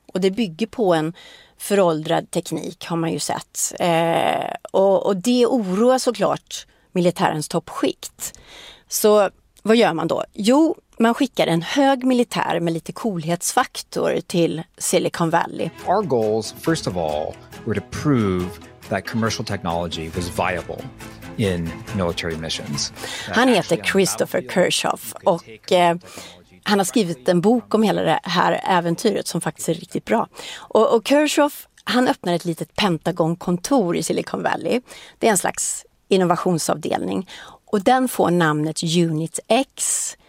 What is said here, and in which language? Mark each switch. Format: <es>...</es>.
<sv>Och det bygger på en föråldrad teknik, har man ju sett. Och det oroar såklart militärens toppskikt. Så vad gör man då? Jo, man skickar en hög militär med lite coolhetsfaktor till Silicon Valley.</sv> <en>Our goals, first of all, were to prove that commercial technology was viable in military missions.</en> <sv>Han heter Christopher Kirchhoff och han har skrivit en bok om hela det här äventyret som faktiskt är riktigt bra. Och Kirchhoff, han öppnar ett litet Pentagon-kontor i Silicon Valley. Det är en slags innovationsavdelning. Och den får namnet Unit X.</sv>